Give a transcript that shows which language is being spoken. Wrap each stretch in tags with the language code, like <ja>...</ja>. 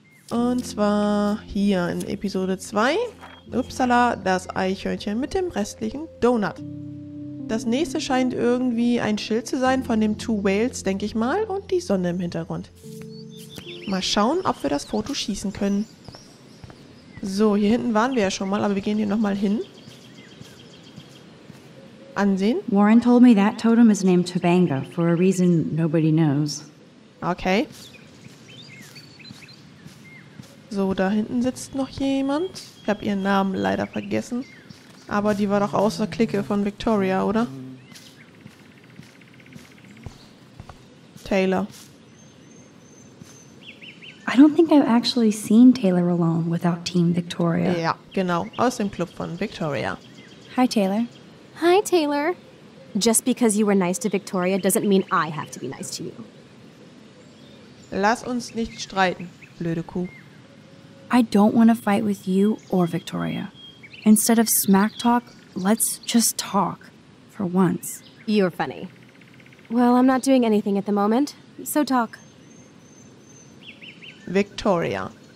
<de>Und zwar hier in Episode 2. Upsala, das Eichhörnchen mit dem restlichen Donut. Das nächste scheint irgendwie ein Schild zu sein von dem Two Whales, denke ich mal, und die Sonne im Hintergrund. Mal schauen, ob wir das Foto schießen können. So, hier hinten waren wir ja schon mal, aber wir gehen hier nochmal hin. Ansehen.</de> <en>Warren told me that totem is named Tobanga for a reason nobody knows. Okay.</en> <de>So, da hinten sitzt noch jemand. Ich habe ihren Namen leider vergessen. Aber die war doch außer Clique von Victoria, oder? Taylor.</de> <en>I don't think I've actually seen Taylor alone without Team Victoria.</en> <de>Ja, genau. Aus dem Club von Victoria.</de> <en>Hi, Taylor. Hi, Taylor. Just because you were nice to Victoria doesn't mean I have to be nice to you.</en> <de>Lass uns nicht streiten, blöde Kuh.</de> <en>I don't want to fight with you or Victoria. Instead of smack talk, let's just talk. For once. You're funny. Well, I'm not doing anything at the moment, so talk. Victoria.</en>